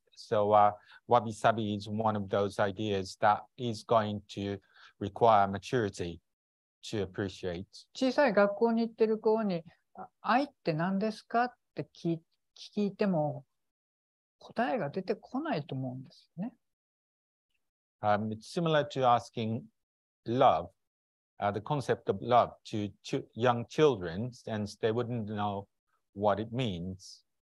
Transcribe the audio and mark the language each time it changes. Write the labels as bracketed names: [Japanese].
[English] So wabi-sabi is one of those ideas that is going to require maturity to appreciate. [Japanese] 小さい学校に行ってる子に愛って何ですかって聞いても答えが出てこないと思うんですよね。 [English] It's similar to asking love, the concept of love to young children, and they wouldn't know what it means.